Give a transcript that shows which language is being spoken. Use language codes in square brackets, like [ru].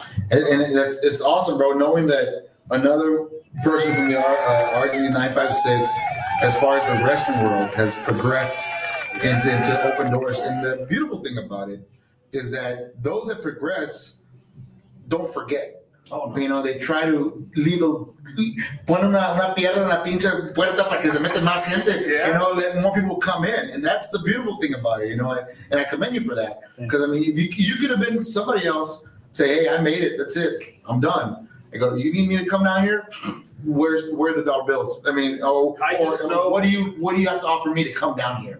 [en] And it's awesome, bro, knowing that another person from the RGV 956, as far as the wrestling world, has progressed into open doors. And the beautiful thing about it is that those that progress don't forget. Oh, no. You know, they try to leave [es] una piedra en la pinche puerta para que se meta más gente. [en] Yeah. You know, let more people come in. And that's the beautiful thing about it, you know. And I commend you for that. Because, I mean, if you could have been somebody else, say, hey, I made it. That's it. I'm done. I go, you need me to come down here? Where are the dollar bills? I mean, what do you have to offer me to come down here?